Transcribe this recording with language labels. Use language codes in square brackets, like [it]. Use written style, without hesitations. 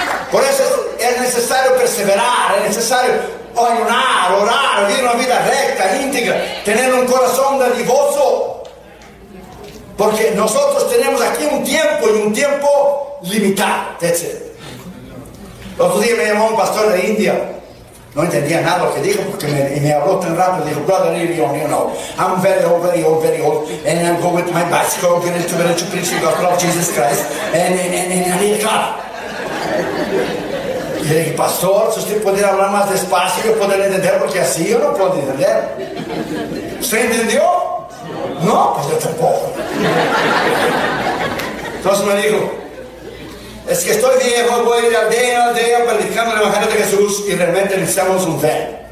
[es] Por eso es necesario perseverar, es necesario ayunar, orar, vivir una vida recta, íntegra, tener un corazón dadivoso. Porque nosotros tenemos aquí un tiempo y un tiempo limitado. Déjese. El otro día me llamó un pastor de India. No entendía nada lo que dijo porque me habló tan rápido. Dijo, [en] brother, you know, I'm very old, very old, very old. And I'm going with my bicycle, getting to village to preach the gospel of Jesus Christ. And I need a car. [es] Y le dije, pastor, si usted pudiera hablar más despacio, yo podría entender, porque así yo no puedo entender. ¿Usted entendió? No, pues yo tampoco. Entonces me dijo, Es que estoy viejo, voy a ir aldea en aldea predicando el Evangelio de Jesús y realmente necesitamos un fe.